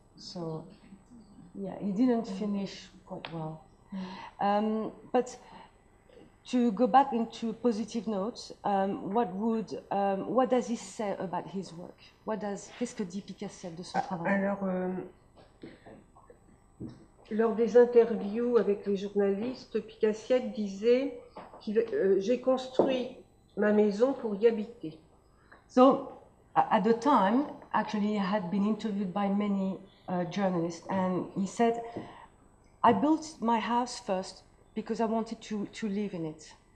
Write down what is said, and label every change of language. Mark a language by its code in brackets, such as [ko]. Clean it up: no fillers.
[en] So yeah, he didn't finish. Well, but to go back into positive notes, what does he say about his work? [fr] Qu'est-ce que dit Picassiette de son travail? Alors, lors des interviews avec les journalistes, Picassiette disait qu'il j'ai construit ma maison pour y habiter. [en] So, at the time, actually, he had been interviewed by many journalists, and he said. I built my house first because I wanted to live in it.